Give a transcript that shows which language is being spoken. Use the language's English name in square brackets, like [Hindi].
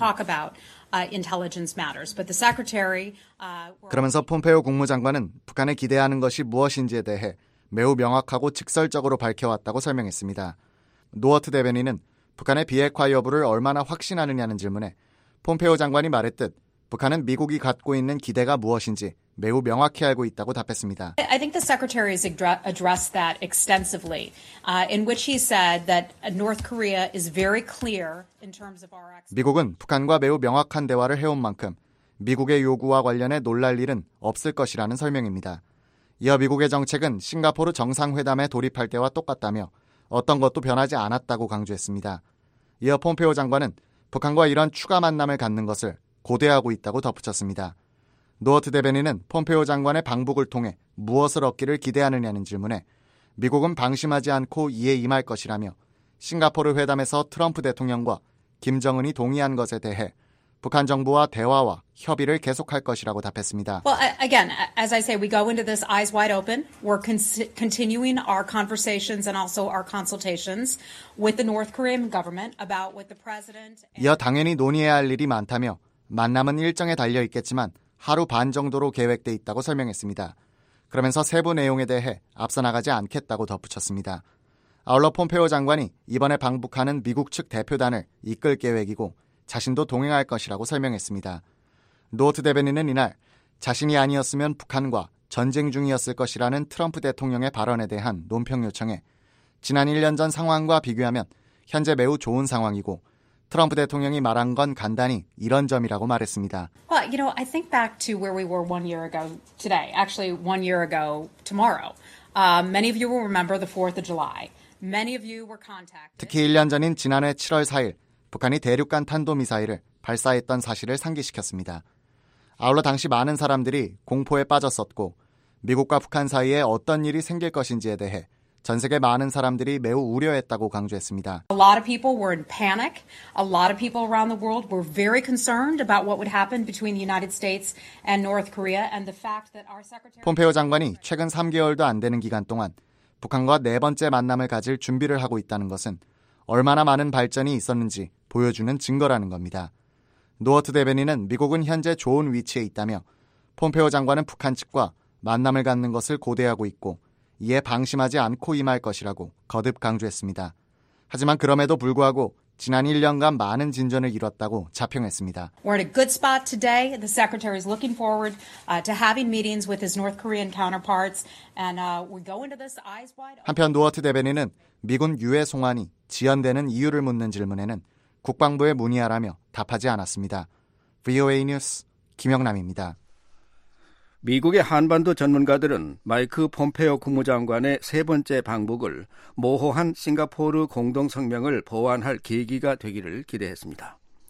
[English] I'm not going to get into any intelligence matters. That's not what we do at the State Department. We don't talk about intelligence matters. But the secretary. [Korean] 그러면서 폼페오 국무장관은 북한에 기대하는 것이 무엇인지에 대해 매우 명확하고 직설적으로 밝혀왔다고 설명했습니다. 노어트 대변인은 북한의 비핵화 여부를 얼마나 확신하느냐는 질문에 폼페오 장관이 말했듯 북한은 미국이 갖고 있는 기대가 무엇인지 매우 명확히 알고 있다고 답했습니다. [English] I think the secretary has addressed that extensively, in which he said that North Korea is very clear in terms of our. [Korean] 미국은 북한과 매우 명확한 대화를 해온 만큼 미국의 요구와 관련해 놀랄 일은 없을 것이라는 설명입니다. 이어 미국의 정책은 싱가포르 정상회담에 돌입할 때와 똑같다며 어떤 것도 변하지 않았다고 강조했습니다. 이어 폼페오 장관은 북한과 이런 추가 만남을 갖는 것을 고대하고 있다고 덧붙였습니다. 노어트 대변인은 폼페오 장관의 방북을 통해 무엇을 얻기를 기대하느냐는 질문에 미국은 방심하지 않고 이에 임할 것이라며 싱가포르 회담에서 트럼프 대통령과 김정은이 동의한 것에 대해 북한 정부와 대화와 협의를 계속할 것이라고 답했습니다. [English] Well, again, as I say, we go into this eyes wide open. We're continuing our conversations and also our consultations with the North Korean government about what the president. [Korean] 이어 당연히 논의해야 할 일이 많다며 만남은 일정에 달려 있겠지만 하루 반 정도로 계획돼 있다고 설명했습니다. 그러면서 세부 내용에 대해 앞서 나가지 않겠다고 덧붙였습니다. 아울러 폼페오 장관이 이번에 방북하는 미국 측 대표단을 이끌 계획이고 자신도 동행할 것이라고 설명했습니다. 노어트 대변인은 이날 자신이 아니었으면 북한과 전쟁 중이었을 것이라는 트럼프 대통령의 발언에 대한 논평 요청에 지난 1년 전 상황과 비교하면 현재 매우 좋은 상황이고 트럼프 대통령이 말한 건 간단히 이런 점이라고 말했습니다. [English] Well, you know, I think back to where we were 1 year ago today. Actually, 1 year ago tomorrow. Many of you will remember the 4th of July. Many of you were contacted. [Korean] 특히 1년 전인 지난해 7월 4일 북한이 대륙간 탄도 미사일을 발사했던 사실을 상기시켰습니다. 아울러 당시 많은 사람들이 공포에 빠졌었고 미국과 북한 사이에 어떤 일이 생길 것인지에 대해 전 세계 많은 사람들이 매우 우려했다고 강조했습니다. [English] A lot of people were in panic. A lot of people around the world were very concerned about what would happen between the United States and North Korea and the fact that our secretary [Korean] 폼페오 장관이 최근 3개월도 안 되는 기간 동안 북한과 네 번째 만남을 가질 준비를 하고 있다는 것은 얼마나 많은 발전이 있었는지 보여주는 증거라는 겁니다. 노어트 대변인은 미국은 현재 좋은 위치에 있다며 폼페오 장관은 북한 측과 만남을 갖는 것을 고대하고 있고 이에 방심하지 않고 임할 것이라고 거듭 강조했습니다. 하지만 그럼에도 불구하고 지난 1년간 많은 진전을 이뤘다고 자평했습니다. [English] We're in a good spot today. The secretary is looking forward to having meetings with his North Korean counterparts and we go into this eyes wide open. [Korean] 한편 노어트 대변인은 미군 유해 송환이 지연되는 이유를 묻는 질문에는 국방부에 문의하라며 답하지 않았습니다. VOA 뉴스 김영남입니다. 미국의 한반도 전문가들은 마이크 폼페오 국무장관의 세 번째 방북을 모호한 싱가포르 공동성명을 보완할 계기가 되기를 기대했습니다.